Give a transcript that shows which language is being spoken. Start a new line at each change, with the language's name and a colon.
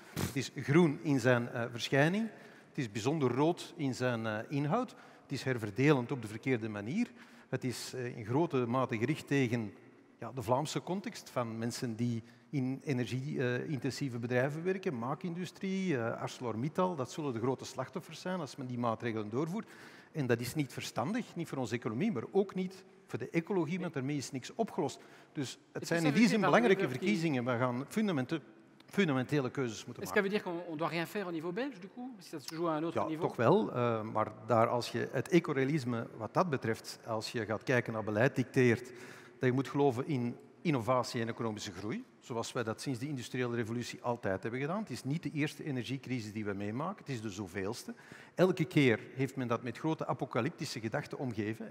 Dutch: Het is groen in zijn verschijning, het is bijzonder rood in zijn inhoud, het is herverdelend op de verkeerde manier, het is in grote mate gericht tegen de Vlaamse context van mensen die in energieintensieve bedrijven werken, maakindustrie, ArcelorMittal, dat zullen de grote slachtoffers zijn als men die maatregelen doorvoert. En dat is niet verstandig, niet voor onze economie, maar ook niet voor de ecologie, want daarmee is niks opgelost. Dus het zijn in die zin belangrijke verkiezingen. We gaan fundamentele keuzes moeten maken.
French: Est-ce que ça veut dire qu'on doit rien faire au niveau belge, du coup, si ça se joue à un autre niveau?
Dutch: Ja, toch wel. Maar daar, als je het ecorealisme, wat dat betreft, als je gaat kijken naar beleid, dicteert, dat je moet geloven in innovatie en economische groei, zoals wij dat sinds de industriële revolutie altijd hebben gedaan. Het is niet de eerste energiecrisis die we meemaken, het is de zoveelste. Elke keer heeft men dat met grote apocalyptische gedachten omgeven.